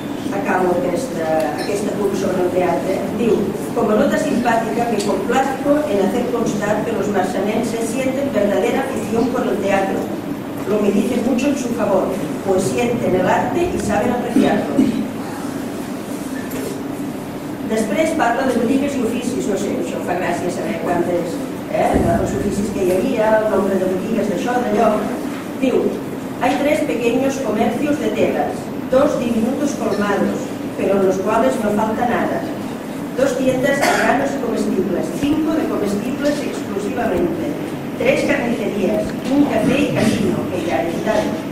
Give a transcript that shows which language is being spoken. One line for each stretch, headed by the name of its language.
Catalan: Acabo aquesta punt sobre el teatre. Diu, com a nota simpàtica,
Spanish: me complazco en hacer constar que los barcelenses sienten verdadera afición por el teatro, lo que dice mucho en su favor, pues sienten el arte y saben apreciarlo.
Catalan: Després parla de botigues i oficis, no sé, això fa gràcia saber quantes, els oficis que hi havia, el nombre de botigues, d'això, d'allò.
Spanish: Diu, hay tres pequeños comercios de telas, dos diminutos colmados, pero en los cuales no falta nada. Dos tiendas de granos comestibles, cinco de comestibles exclusivamente, tres carnicerías, un café y casino, que ya están.